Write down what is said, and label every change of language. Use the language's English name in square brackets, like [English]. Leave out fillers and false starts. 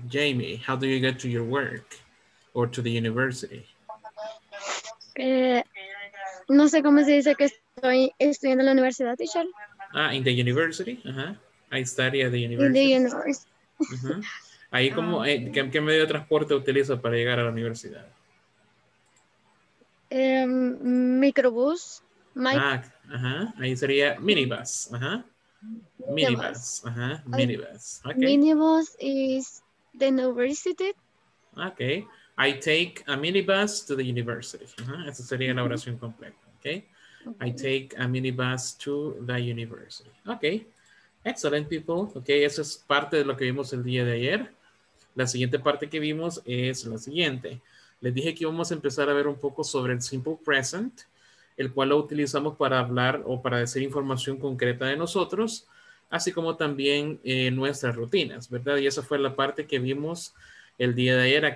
[English] Jamie, how do you get to your work or to the university? [Spanish] No sé cómo se dice que estoy estudiando en la universidad, teacher. [English] Ah, in the university. Uh-huh. I study at the university. In the university. Uh-huh. [Spanish] Ahí como, ¿qué medio de transporte utiliza para llegar a la universidad? Microbús. Ah, ajá. Ahí sería minibus, ajá. Minibus, ajá. Minibus. Okay. [English] Minibus is the university. Okay. I take a minibus to the university. Ajá. [Spanish] Esa sería la oración completa, [English] okay. Okay. I take a minibus to the university. Okay. Excellent, people. Okay. [Spanish] Eso es parte de lo que vimos el día de ayer. La siguiente parte que vimos es la siguiente. Les dije que íbamos a empezar a ver un poco sobre el simple present, el cual lo utilizamos para hablar o para decir información concreta de nosotros, así como también nuestras rutinas, ¿verdad? Y esa fue la parte que vimos el día de ayer.